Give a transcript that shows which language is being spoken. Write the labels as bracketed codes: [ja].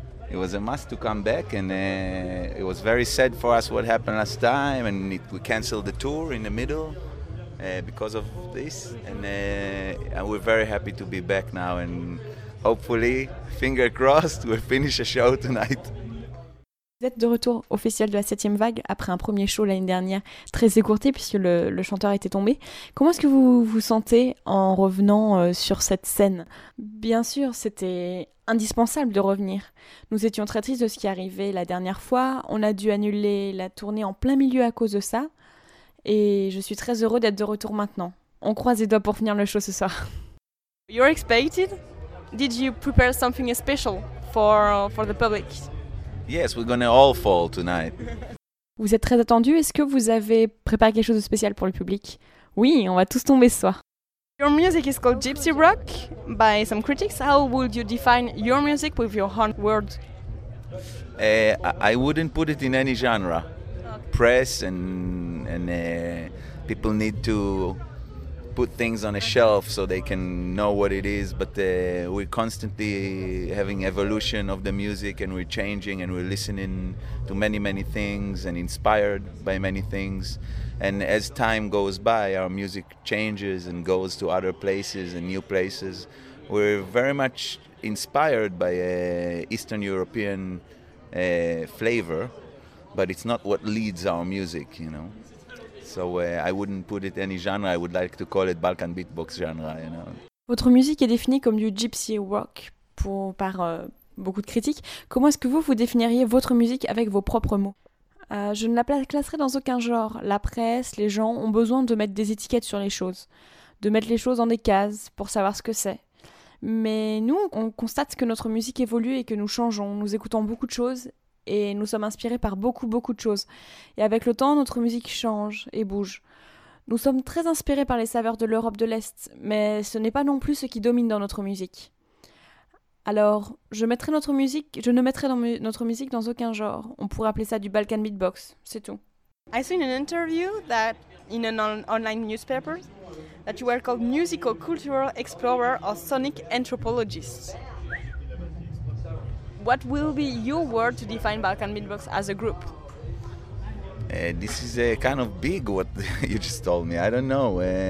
[en] It was a must to come back, and it was very sad for us what happened last time, and we cancelled the tour in the middle. Because of this, and we're very happy to be back now, and hopefully, finger crossed, we'll finish the show tonight. [fr] Vous êtes de retour au festival de la 7ème vague après un premier show l'année dernière très écourté puisque le chanteur était tombé. Comment est-ce que vous vous sentez en revenant sur cette scène? Bien sûr, c'était indispensable de revenir. Nous étions très tristes de ce qui arrivait la dernière fois. On a dû annuler la tournée en plein milieu à cause de ça. Et je suis très heureux d'être de retour maintenant. On croise les doigts pour finir le show ce soir. [en] You're expected. Did you prepare something special for the public? Yes, we're gonna all fall tonight. [fr] Vous êtes très attendu. Est-ce que vous avez préparé quelque chose de spécial pour le public? Oui, on va tous tomber ce soir. [en] Your music is called Gypsy Rock by some critics. How would you define your music with your own words? I wouldn't put it in any genre. Press and people need to put things on a shelf so they can know what it is, but we're constantly having evolution of the music, and we're changing, and we're listening to many, many things and inspired by many things, and as time goes by our music changes and goes to other places and new places. We're very much inspired by Eastern European flavor. But it's not what leads our music, you know. So I wouldn't put it any genre. I would like to call it Balkan beatbox genre, you know. [fr] Votre musique est définie comme du gypsy rock par beaucoup de critiques. Comment est-ce que vous définiriez votre musique avec vos propres mots? Je ne la classerai dans aucun genre. La presse, les gens ont besoin de mettre des étiquettes sur les choses, de mettre les choses dans des cases pour savoir ce que c'est. Mais nous, on constate que notre musique évolue et que nous changeons. Nous écoutons beaucoup de choses. Et nous sommes inspirés par beaucoup, beaucoup de choses. Et avec le temps, notre musique change et bouge. Nous sommes très inspirés par les saveurs de l'Europe de l'Est, mais ce n'est pas non plus ce qui domine dans notre musique. Alors, je ne mettrai notre musique dans aucun genre. On pourrait appeler ça du Balkan beatbox, c'est tout. [en] I seen an interview that in an online newspaper that you were called musical cultural explorer or sonic anthropologist. What will be your word to define Balkan beatbox as a group? This is a kind of big what you just told me. I don't know.